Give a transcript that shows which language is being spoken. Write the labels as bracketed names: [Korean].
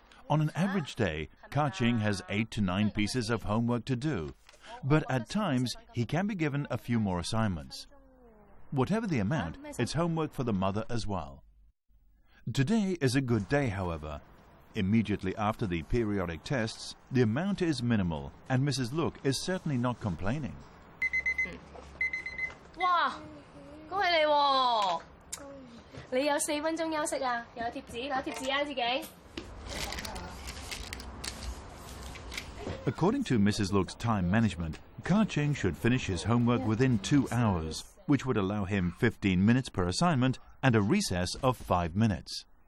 [English] On an average day, Ka Ching has 8 to 9 pieces of homework to do, but at times he can be given a few more assignments. Whatever the amount, it's homework for the mother as well. Today is a good day, however. Immediately after the periodic tests, the amount is minimal, and Mrs. Luke is certainly not complaining. [Cantonese] Wow, 恭喜你喎！你有四分鐘休息啊，有貼紙，攞貼紙啊，自己。 [English] According to Mrs. Luke's time management, Ka Ching should finish his homework within 2 hours, which would allow him 15 minutes per assignment and a recess of 5 minutes.